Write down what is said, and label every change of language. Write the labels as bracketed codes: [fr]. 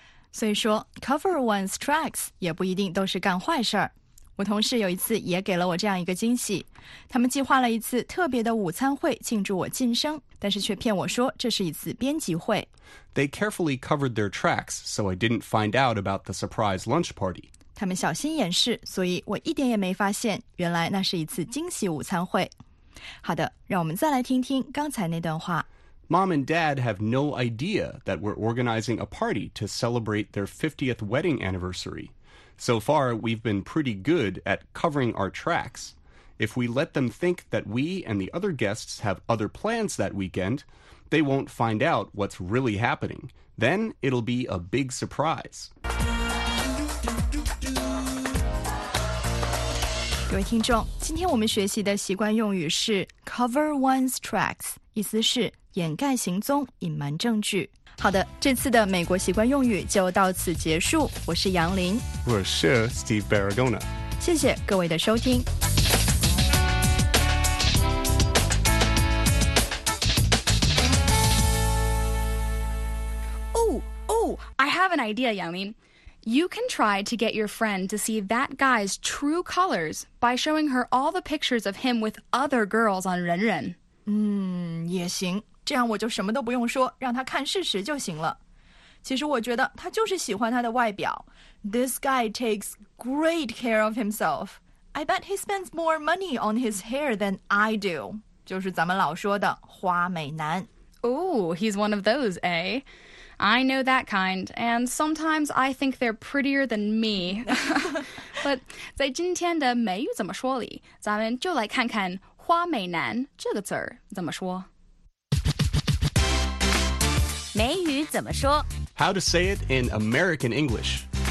[zh] 所以说 [en] cover one's tracks [zh] 也不一定都是干坏事儿。我同事有一次也给了我这样一个惊喜，他们计划了一次特别的午餐会庆祝我晋升，但是却骗我说这是一次编辑会。 [en] They carefully covered their tracks, so I didn't find out about the surprise lunch party. [zh] 他们小心掩饰，所以我一点也没发现，原来那是一次惊喜午餐会。好的，让我们再来听听刚才那段话。 [en] Mom and Dad have no idea that we're organizing a party to celebrate their 50th wedding anniversary. So far, we've been pretty good at covering our tracks. If we let them think that we and the other guests have other plans that weekend, they won't find out what's really happening. Then it'll be a big surprise. [zh] 各位听众，今天我们学习的习惯用语是 [en] cover one's tracks， [zh] 意思是掩盖行踪，隐瞒证据。好的，这次的美国习惯用语就到此结束。我是杨林，我是 Steve Barragona，谢谢各位的收听。 [en] I have an idea, Yang Lin. You can try to get your friend to see that guy's true colors by showing her all the pictures of him with other girls on RenRen. [zh] 嗯，也行，这样我就什么都不用说，让他看事实就行了。其实我觉得他就是喜欢他的外表。 [en] This guy takes great care of himself. I bet he spends more money on his hair than I do. [zh] 就是咱们老说的花美男。 [en] Oh, he's one of those, eh? I know that kind, and sometimes I think they're prettier than me. But [zh] 在今天的美语怎么说里，咱们就来看看花美男这个词儿怎么说。美语怎么说 [en] ？How to say it in American English?